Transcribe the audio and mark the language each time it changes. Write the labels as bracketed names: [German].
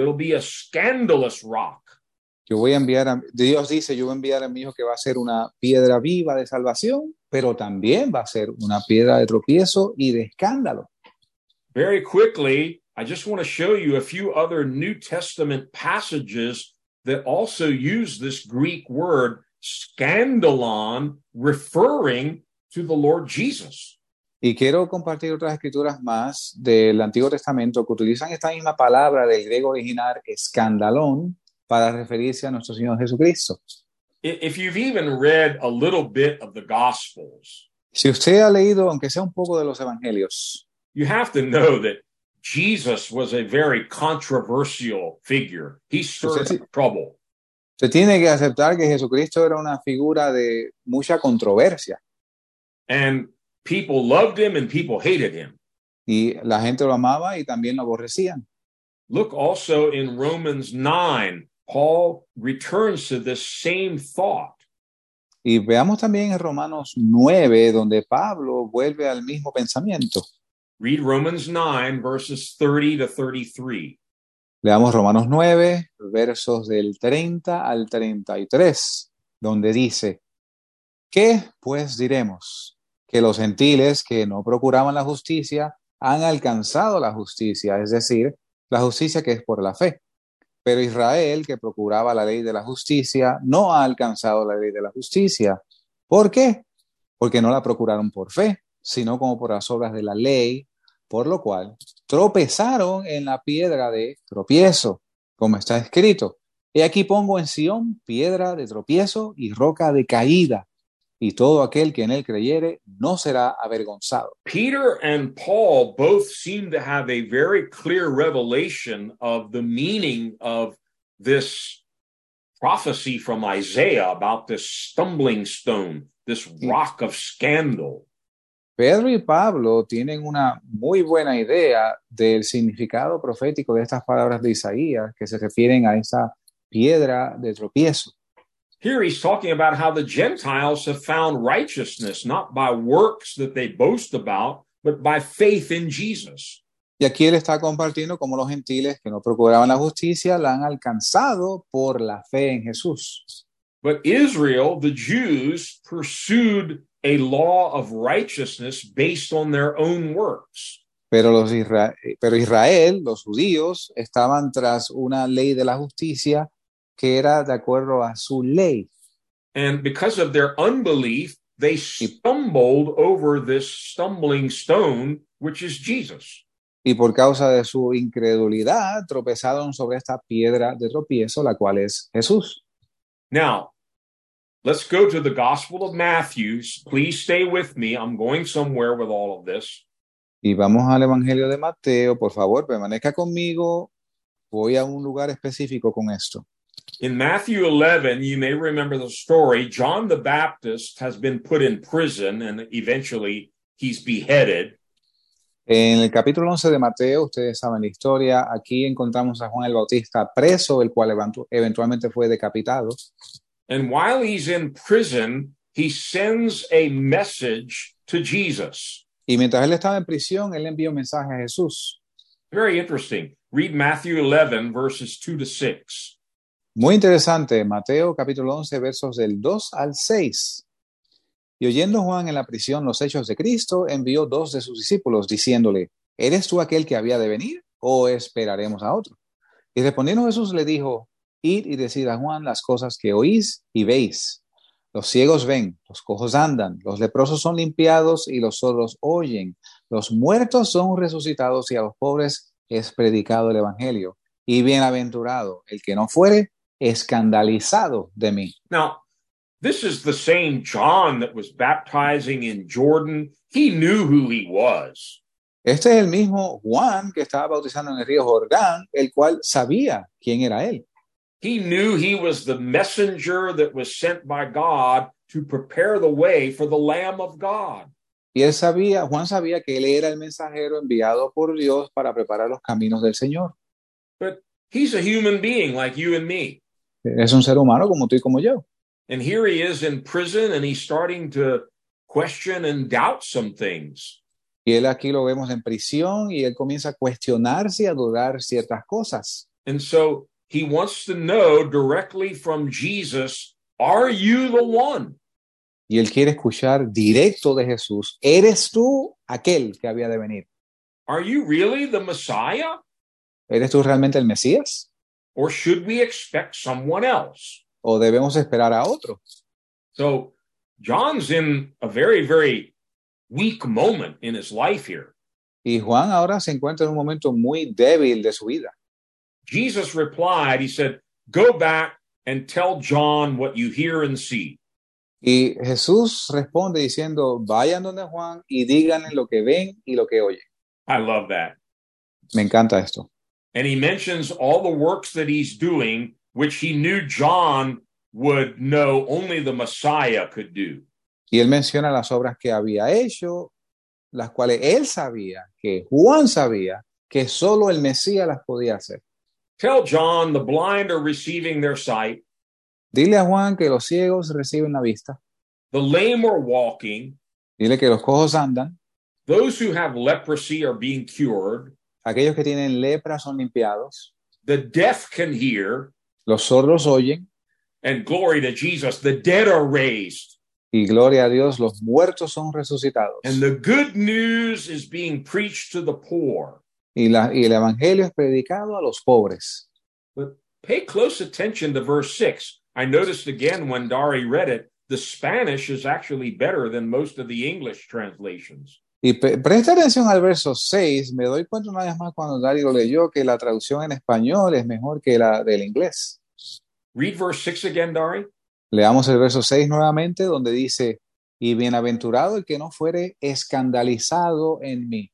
[English] It'll be a scandalous rock. [Spanish] Yo voy a enviar a, Dios dice, yo voy a enviar a mi hijo que va a ser una piedra viva de salvación, pero también va a ser una piedra de tropiezo y de escándalo. [English] Very quickly, I just want to show you a few other New Testament passages that also use this Greek word scandalon, referring to the Lord Jesus. [Spanish] Y quiero compartir otras escrituras más del Antiguo Testamento que utilizan esta misma palabra del griego original, escandalón, para referirse a nuestro Señor Jesucristo. [English] If you've even read a little bit of the Gospels, [Spanish] si usted ha leído, aunque sea un poco de los Evangelios, [English] you have to know that Jesus was a very controversial figure. He stirred up trouble. [Spanish] Usted tiene que aceptar que Jesucristo era una figura de mucha controversia. [English] And people loved him and people hated him. [Spanish] Y la gente lo amaba y también lo aborrecían. [English] Look also in Romans 9, Paul returns to this same thought. [Spanish] Y veamos también en Romanos 9, donde Pablo vuelve al mismo pensamiento. [English] Read Romans 9, verses 30 to 33. [Spanish] Leamos Romanos 9, versos del 30 al 33, donde dice, ¿qué pues diremos? Que los gentiles que no procuraban la justicia han alcanzado la justicia, es decir, la justicia que es por la fe. Pero Israel, que procuraba la ley de la justicia, no ha alcanzado la ley de la justicia. ¿Por qué? Porque no la procuraron por fe, sino como por las obras de la ley, por lo cual tropezaron en la piedra de tropiezo, como está escrito. He aquí pongo en Sion piedra de tropiezo y roca de caída, y todo aquel que en él creyere no será avergonzado. [English] Peter and Paul both seem to have a very clear revelation of the meaning of this prophecy from Isaiah about this stumbling stone, this rock of scandal. [Spanish] Pedro y Pablo tienen una muy buena idea del significado profético de estas palabras de Isaías que se refieren a esa piedra de tropiezo. [English] Here he's talking about how the Gentiles have found righteousness, not by works that they boast about, but by faith in Jesus. [Spanish] Y aquí él está compartiendo cómo los gentiles que no procuraban la justicia la han alcanzado por la fe en Jesús. [English] But Israel, the Jews, pursued a law of righteousness based on their own works. [Spanish] Pero Israel, los judíos, estaban tras una ley de la justicia que era de acuerdo a su ley. [English] And because of their unbelief, they stumbled over this stumbling stone, which is Jesus. [Spanish] Y por causa de su incredulidad, tropezaron sobre esta piedra de tropiezo, la cual es Jesús. [English] Now, let's go to the Gospel of Matthew. Please stay with me. I'm going somewhere with all of this. [Spanish] Y vamos al Evangelio de Mateo. Por favor, permanezca conmigo. Voy a un lugar específico con esto. [English] In Matthew 11, you may remember the story. John the Baptist has been put in prison and eventually he's beheaded. [Spanish] En el capítulo 11 de Mateo, ustedes saben la historia, aquí encontramos a Juan el Bautista preso, el cual eventualmente fue decapitado. [English] And while he's in prison, he sends a message to Jesus. [Spanish] Y mientras él estaba en prisión, él envió un mensaje a Jesús. [English] Very interesting. Read Matthew 11, verses 2 to 6. [Spanish] Muy interesante. Mateo, capítulo 11, versos del 2 al 6. Y oyendo Juan en la prisión los hechos de Cristo, envió dos de sus discípulos, diciéndole, ¿eres tú aquel que había de venir, o esperaremos a otro? Y respondiendo Jesús le dijo, id y decid a Juan las cosas que oís y veis. Los ciegos ven, los cojos andan, los leprosos son limpiados y los sordos oyen. Los muertos son resucitados y a los pobres es predicado el Evangelio. Y bienaventurado el que no fuere escandalizado de mí. [English] Now, this is the same John that was baptizing in Jordan. He knew who he was. [Spanish] Este es el mismo Juan que estaba bautizando en el río Jordán, el cual sabía quién era él. [English] He knew he was the messenger that was sent by God to prepare the way for the Lamb of God. [Spanish] Y él sabía, Juan sabía que él era el mensajero enviado por Dios para preparar los caminos del Señor. [English] But he's a human being like you and me. [Spanish] Es un ser humano como tú y como yo. [English] And here he is in prison and he's starting to question and doubt some things. [Spanish] Y él aquí lo vemos en prisión y él comienza a cuestionarse y a dudar ciertas cosas. [English] And so he wants to know directly from Jesus, are you the one? [Spanish] Y él quiere escuchar directo de Jesús, ¿eres tú aquel que había de venir? [English] Are you really the Messiah? [Spanish] ¿Eres tú realmente el Mesías? [English] Or should we expect someone else? [Spanish] ¿O debemos esperar a otro? [English] So, John's in a very, very weak moment in his life here. [Spanish] Y Juan ahora se encuentra en un momento muy débil de su vida. [English] Jesus replied, he said, go back and tell John what you hear and see. [Spanish] Y Jesús responde diciendo, vayan donde Juan y díganle lo que ven y lo que oyen. [English] I love that. [Spanish] Me encanta esto. [English] And he mentions all the works that he's doing, which he knew John would know only the Messiah could do. [Spanish] Y él menciona las obras que había hecho, las cuales él sabía, que Juan sabía, que solo el Mesías las podía hacer. [English] Tell John the blind are receiving their sight. [Spanish] Dile a Juan que los ciegos reciben la vista. [English] The lame are walking. [Spanish] Dile que los cojos andan. [English] Those who have leprosy are being cured. [Spanish] Aquellos que tienen lepra son limpiados. [English] The deaf can hear. [Spanish] Los sordos oyen. [English] And glory to Jesus, the dead are raised. [Spanish] Y gloria a Dios, los muertos son resucitados. [English] And the good news is being preached to the poor. [Spanish] Y el evangelio es predicado a los pobres. [English] But pay close attention to verse 6. I noticed again when Dari read it, the Spanish is actually better than most of the English translations. [Spanish] Y presta atención al verso 6, me doy cuenta una vez más cuando Dari lo leyó que la traducción en español es mejor que la del inglés. [English] Read verse 6 again, Dari. [Spanish] Leamos el verso 6 nuevamente donde dice, y bienaventurado el que no fuere escandalizado en mí.